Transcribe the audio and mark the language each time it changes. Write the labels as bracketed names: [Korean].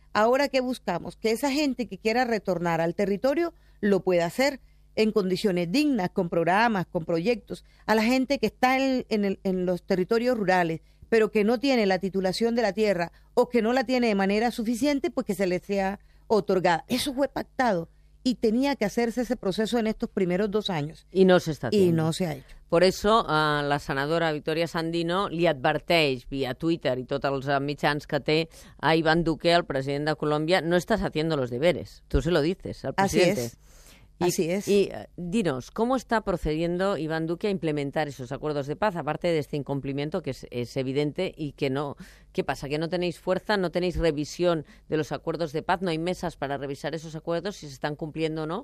[Spanish] Ahora, ¿qué buscamos? Que esa gente que quiera retornar al territorio lo pueda hacer en condiciones dignas, con programas, con proyectos. A la gente que está en los territorios rurales, pero que no tiene la titulación de la tierra o que no la tiene de manera suficiente, pues que se le sea otorgada. Eso fue pactado. Y tenía que hacerse ese proceso en estos primeros 2 años. Y no se está haciendo. Y no se ha hecho. Por eso [Catalan] la senadora Victoria Sandino li adverteix via Twitter i tots els mitjans que té a Iván Duque, el president de Colòmbia, no estàs [Spanish] haciendo los deberes. Tú se lo dices al presidente. Así es. Así es. Y dinos, ¿cómo está procediendo Iván Duque a implementar esos acuerdos de paz, aparte de este incumplimiento que es evidente y que no? ¿Qué pasa? ¿Que no tenéis fuerza? ¿No tenéis revisión de los acuerdos de paz? ¿No hay mesas para revisar esos acuerdos si se están cumpliendo o no?